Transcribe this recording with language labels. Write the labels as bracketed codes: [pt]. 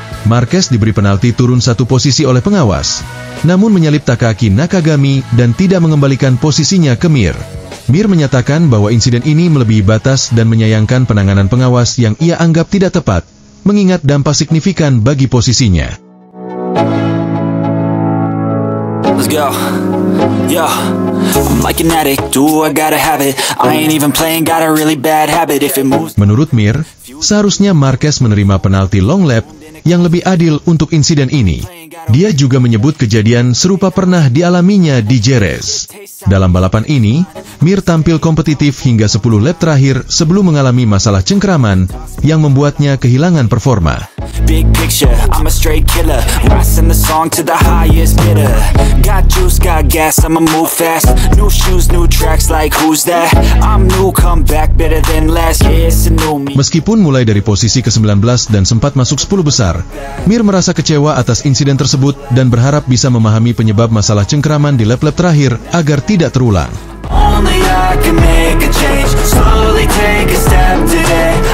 [id] Marquez diberi penalti turun satu posisi oleh pengawas, namun menyalip Takaaki Nakagami dan tidak mengembalikan posisinya ke Mir. Mir menyatakan bahwa insiden ini melebihi batas dan menyayangkan penanganan pengawas yang ia anggap tidak tepat, mengingat dampak signifikan bagi posisinya. [en] Yo, yo, I'm like an addict, do I gotta have it? I ain't even playing, got a really bad habit if it moves. [id] Menurut Mir, seharusnya Marquez menerima penalti long lap yang lebih adil untuk insiden ini. Dia juga menyebut kejadian serupa pernah dialaminya di Jerez. Dalam balapan ini, Mir tampil kompetitif hingga 10 lap terakhir sebelum mengalami masalah cengkeraman yang membuatnya kehilangan performa. [en] Big picture, I'm a straight killer, rising the song to the highest bidder. Got juice, got gas, I'ma move fast. New shoes, new tracks, like who's that? I'm new, come back better than last. Yeah, it's a new me. [id] Meskipun mulai dari posisi ke-19 dan sempat masuk 10 besar, Mir merasa kecewa atas insiden tersebut dan berharap bisa memahami penyebab masalah cengkeraman di lap-lap terakhir agar tidak terulang. [en] Only I can make a change, slowly take a step today.